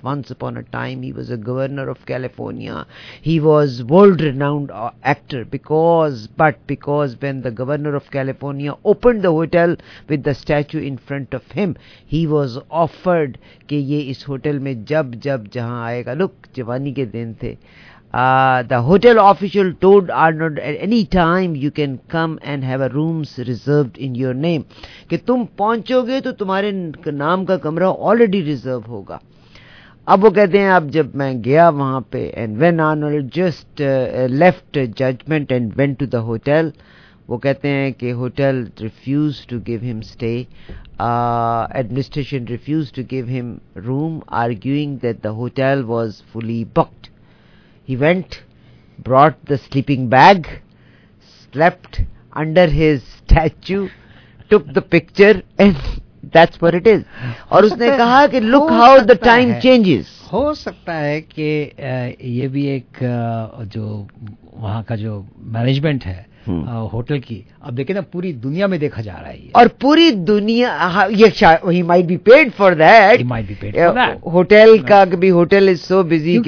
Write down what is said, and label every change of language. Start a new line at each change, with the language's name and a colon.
English: Once upon a time he was a governor of California, he was world renowned actor. But because when the governor of California open the hotel with the statue in front of him, he was offered
Hindi: कि ये इस hotel में जब जहां आएगा. Look, जवानी के दिन थे.
English: The hotel official told Arnold, at any time you can come and have a rooms reserved in your name.
Hindi: कि तुम पहुंचोगे तो तुम्हारे नाम का कमरा ऑलरेडी रिजर्व होगा. अब वो कहते हैं अब जब मैं गया वहां पे,
English: and when Arnold just left judgment and went to the hotel,
Hindi: वो कहते हैं कि
English: Hotel refuse to give him stay. Administration refuse to give him room, arguing that the hotel was fully booked. He went, brought the sleeping bag, slept under his statue, took the picture, and that's what it is.
Hindi: और उसने कहा कि
English: look how the time changes.
Hindi: हो सकता है कि ये भी एक जो वहाँ का जो management है होटल की, अब देखे ना पूरी दुनिया में देखा जा रहा है और पूरी दुनिया.
English: ये he might be paid for that, he might be paid for that hotel
Hindi: का, क्योंकि
English: Hotel is so busy.